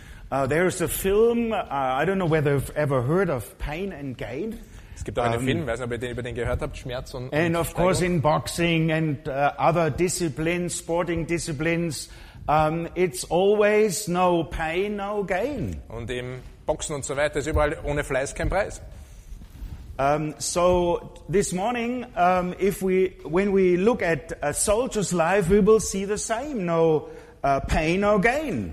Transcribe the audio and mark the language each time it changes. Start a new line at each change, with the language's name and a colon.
English: There is a film, I don't know whether you've ever heard of Pain and Gain.
German: Es gibt auch einen Film, weiß nicht, ob ihr den, über den gehört habt, Schmerz und
English: Steigung. And of course in boxing and other disciplines, sporting disciplines, it's always no pain, no gain.
German: Und im Boxen und so weiter ist überall ohne Fleiß kein Preis.
English: So this morning, when we look at a soldier's life, we will see the same, no pain, no gain.